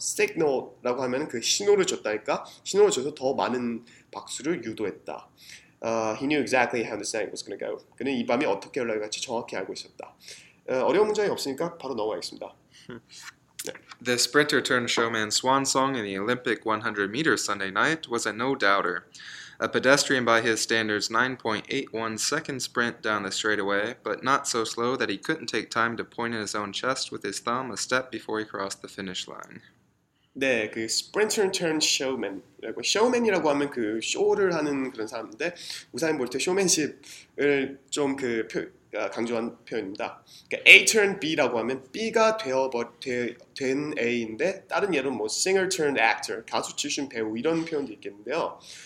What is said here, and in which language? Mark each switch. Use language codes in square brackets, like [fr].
[ko] signal라고 하면 그 신호를 줬다니까 신호를 줘서 더 많은 박수를 유도했다. [en] He knew exactly how this night was going to go. [ko] 그는 이 밤이 어떻게 흘러갈지 정확히 알고 있었다. 어려운 문장이 없으니까 바로 넘어가겠습니다. [en] The sprinter turned showman swan song in the Olympic 100 meters Sunday night was a no doubter. A pedestrian by his standards 9.81-second sprint down the straightaway, but not so slow that he couldn't take time to point at his own chest with his thumb a step before he crossed the finish line. [ko] 네, 그 [en] sprinter turned showman. [ko] Showman이라고 하면 그 쇼를 하는 그런 사람인데 우사인 볼트 쇼맨십을 좀 그 강조한 표현입니다. 그러니까 A turned B라고 하면 B가 된 A인데 다른 예로 뭐 [en] singer turned actor, [ko] 가수 출신 배우 이런 표현도 있겠는데요.